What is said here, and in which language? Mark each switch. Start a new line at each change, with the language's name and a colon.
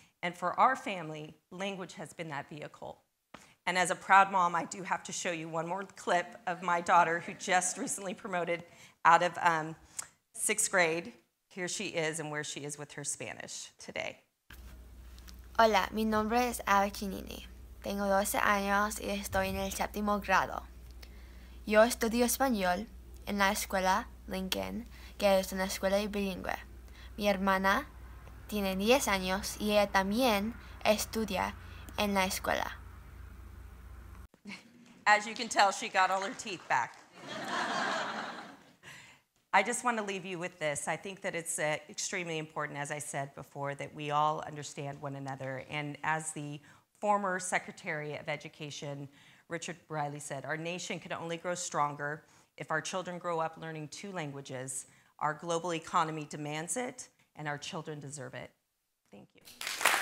English: And for our family, language has been that vehicle. And as a proud mom, I do have to show you one more clip of my daughter who just recently promoted out of sixth grade. Here she is and where she is with her Spanish today.
Spanish: Hola, mi nombre es Abby Giannini. Tengo 12 años y estoy en el séptimo grado. Yo estudio español en la escuela Lincoln, que es una escuela bilingüe. Mi hermana tiene 10 años y ella también estudia en la escuela.
English: As you can tell, she got all her teeth back. I just want to leave you with this. I think that it's extremely important, as I said before, that we all understand one another. And as the former Secretary of Education, Richard Riley, said, our nation can only grow stronger if our children grow up learning two languages. Our global economy demands it, and our children deserve it. Thank you.